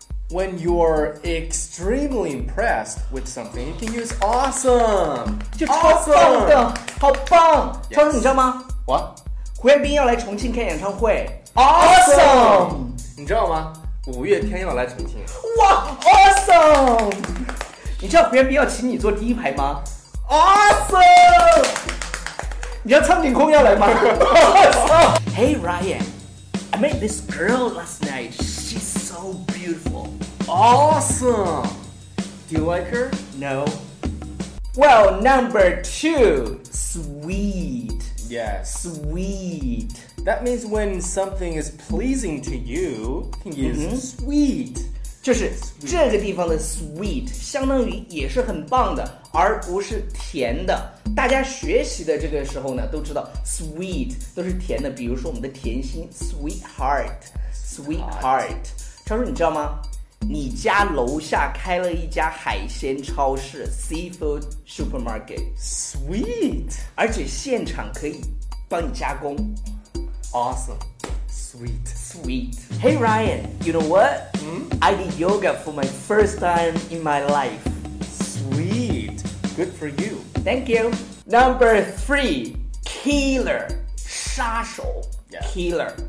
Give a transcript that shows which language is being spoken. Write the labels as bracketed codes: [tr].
[en] When you're extremely impressed with something, you can use awesome. [zh] 就超棒的、 [en] awesome. [zh] 好棒、 [en] yes. [zh] 超棒你知道吗 [en] What? [zh] 胡彦斌要来重庆开演唱会 [en] awesome. [zh] 你知道吗五月天要来重庆 [en] 哇 awesome. [zh] 你知道胡彦斌要请你坐第一排吗 [en] awesome. [zh] 你知道苍井空要来吗 [en] awesome. Hey Ryan, I met this girl last night. She's so beautiful Awesome! Do you like her? No. Well, number two, sweet. Yes. Sweet. That means when something is pleasing to you, you can use sweet. [zh] 就是这个地方的 sweet 相当于也是很棒的而不是甜的。大家学习的这个时候呢都知道 sweet 都是甜的比如说我们的甜心 sweetheart. Sweetheart. 超叔你知道吗你家楼下开了一家海鲜超市 Seafood Supermarket [en] Sweet [zh] 而且现场可以帮你加工 [en] Awesome Sweet Sweet Hey Ryan, you know what?、I did yoga for my first time in my life Sweet Good for you Thank you Number three Killer 杀手、 yeah. Killer